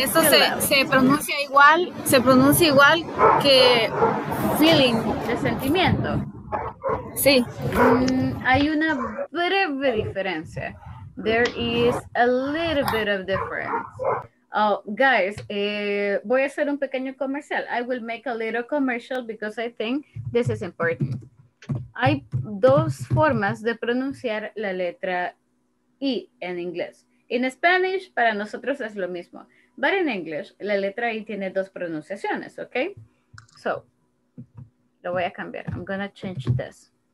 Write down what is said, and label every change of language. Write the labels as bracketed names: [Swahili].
[Spanish] Eso se pronuncia igual que feeling, de sentimiento. Sí. Hay una breve diferencia. [English] There is a little bit of difference. [Spanish] Oh, guys, voy a hacer un pequeño comercial. [English] I will make a little commercial because I think this is important. [Spanish] Hay dos formas de pronunciar la letra I en inglés. [English] In Spanish, [Spanish] para nosotros es lo mismo. [English] But in English, [Spanish] la letra I tiene dos pronunciaciones, ¿ok? [English] So, [Spanish] lo voy a cambiar. [English] I'm gonna change this.